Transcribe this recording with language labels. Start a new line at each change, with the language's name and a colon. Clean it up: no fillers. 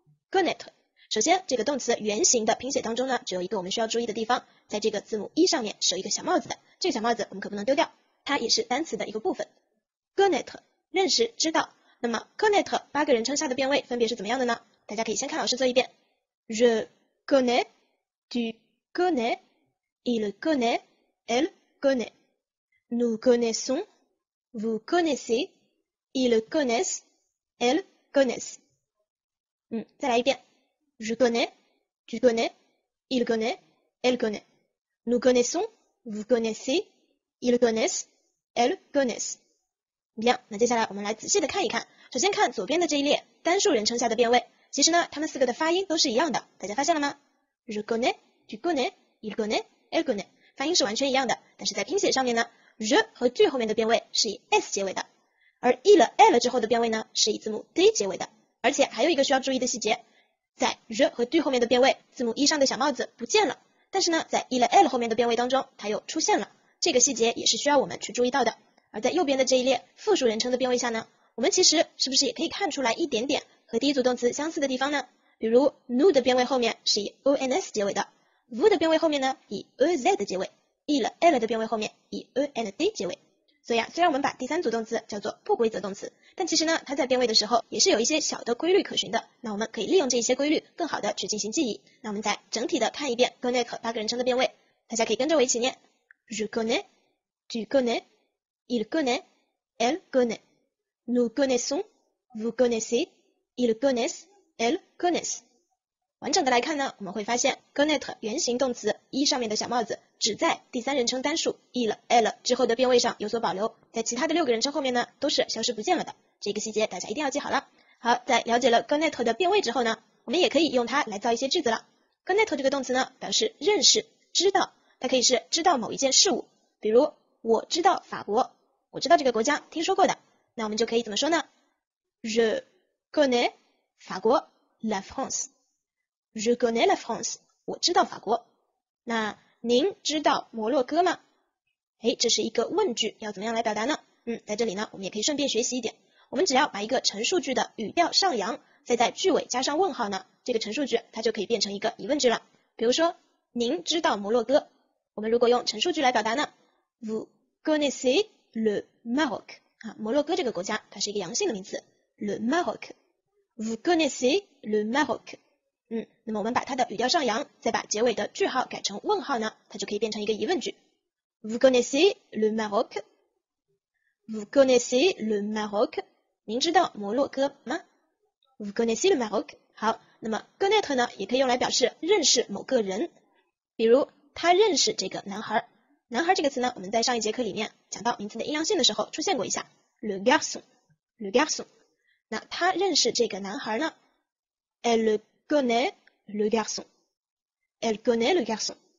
Chinese: connaître，首先这个动词原型的拼写当中呢，只有一个我们需要注意的地方，在这个字母 E 上面是有一个小帽子的，这个小帽子我们可不能丢掉，它也是单词的一个部分。 connaître 认识知道。那么 connaître 八个人称下的变位分别是怎么样的呢？大家可以先看老师做一遍。
French: je connais, tu connais, il connaît, elle connaît. Nous connaissons, vous connaissez, ils connaissent, elles connaissent.
Chinese: 再来一遍。
French: Je connais, tu connais, il connaît, elle connaît. Nous connaissons, vous connaissez, ils connaissent, elles connaissent.
Chinese: Bien, 那接下来我们来仔细的看一看。首先看左边的这一列单数人称下的变位，其实呢，他们四个的发音都是一样的，大家发现了吗？
French: Je connais, tu connais, il connaît, elle connaît.
Chinese: 发音是完全一样的，但是在拼写上面呢， je 和 tu 后面的变位是以 s 结尾的，而 il, elle 之后的变位呢是以字母 d 结尾的。而且还有一个需要注意的细节，在 je 和 du 后面的变位，字母 e 上的小帽子不见了，但是呢，在 il l 后面的变位当中，它又出现了，这个细节也是需要我们去注意到的。而在右边的这一列复数人称的变位下呢，我们其实是不是也可以看出来一点点和第一组动词相似的地方呢？比如 nu 的变位后面是以 ons 结尾的， vu 的变位后面呢以 ez 结尾， il l 的变位后面以 and 结尾。所以啊，虽然我们把第三组动词叫做不规则动词，但其实呢，它在变位的时候也是有一些小的规律可循的。那我们可以利用这些规律更好的去进行记忆。那我们再整体的看一遍 connaître 八个人称的变位，大家可以跟着我一起念。
French: Je connais, tu connais, il connaît, elle connaît. Nous connaissons, vous connaissez, ils connaissent, elles connaissent.
Chinese: 完整的来看呢，我们会发现 connaître 原型动词 e 上面的小帽子只在第三人称单数 il, elle 之后的变位上有所保留，在其他的六个人称后面呢都是消失不见了的，这个细节大家一定要记好了。好，在了解了 connaître 的变位之后呢，我们也可以用它来造一些句子了。 connaître 这个动词呢表示认识、知道，它可以是知道某一件事物，比如我知道法国，我知道这个国家，听说过的。那我们就可以怎么说呢？
French: je connais 法国 la France。 je connais la France,
Chinese: 我知道法国。那您知道摩洛哥吗？诶，这是一个问句，要怎么样来表达呢？在这里呢，我们也可以顺便学习一点。我们只要把一个陈述句的语调上扬，再在句尾加上问号呢，这个陈述句它就可以变成一个疑问句了。比如说，您知道摩洛哥？我们如果用陈述句来表达呢 ？
French: Vous connaissez le Maroc？
Chinese: 啊，摩洛哥这个国家，它是一个阳性的名词 ，le Maroc。
French: Vous connaissez le Maroc？
Chinese: 那么我们把它的语调上扬，再把结尾的句号改成问号呢，它就可以变成一个疑问句。
French: Vous connaissez le Maroc? Vous connaissez le Maroc?
Chinese: 您知道摩洛哥吗？
French: Vous connaissez le Maroc?
Chinese: 好，那么 connaître 呢，也可以用来表示认识某个人。比如他认识这个男孩。男孩这个词呢，我们在上一节课里面讲到名词的阴阳性的时候出现过一下。 Le garçon, le garçon. 那他认识这个男孩呢？
French: Elle connaît le garçon. Elle connaît le garçon.